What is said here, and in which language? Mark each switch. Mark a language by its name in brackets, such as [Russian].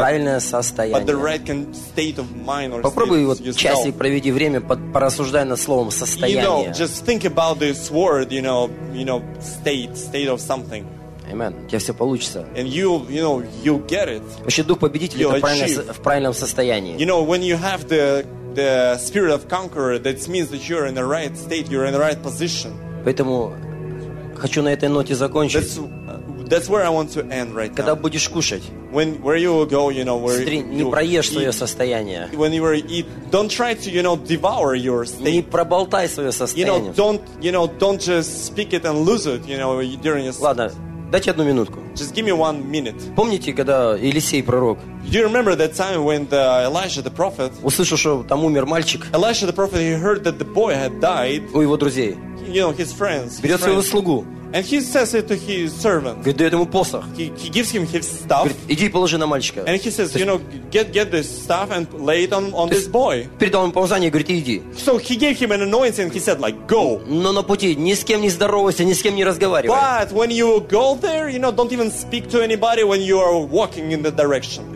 [Russian] правильное состояние. [English] But the right state of mind or [Russian] попробуй [English] state [Russian] вот [English] yourself. [Russian] Часик проведи время, порассуждай над словом состояние. [English] You know, just think about this word, you know, state of something. [Russian] Amen. У тебя все получится. [English] And you know, you'll get it. [Russian] Вообще дух победителя в правильном состоянии. [English] You know, when you have the spirit of conqueror, that means that you're in the right state, you're in the right position. [Russian] Поэтому хочу на этой ноте закончить. [English] That's where I want to end right now. [Russian] Когда будешь кушать, [English] when where you will go, you know, where [Russian] смотри, [English] you, [Russian] не проешь свое состояние. [English] When you will eat, don't try to, you know, devour your state. [Russian] Не проболтай свое состояние. [English] You know, don't just speak it and lose it, you know, during your. [Russian] Ладно, дайте одну минутку. [English] Just give me 1 minute. [Russian] Помните, когда Елисей пророк? [English] Do you remember that time when the Elijah the prophet? [Russian] Услышал, что там умер мальчик. [English] Elijah the prophet, he heard that the boy had died. [Russian] У его друзей. [English] You know, his friends. [Russian] Берет своего слугу. [English] And he says it to his servant. [Russian] Говорит, дает ему посох. [English] He gives him his staff. [Russian] Говорит, иди положи на мальчика. [English] And he says, you know, get this staff and lay it on this boy. [Russian] Передал ему помазание, говорит, иди. [English] So he gave him an anointing. He said, like, go. [Russian] Но на пути ни с кем не здоровайся, ни с кем не разговаривай. [English] But when you go there, you know, don't even speak to anybody when you are walking in the direction.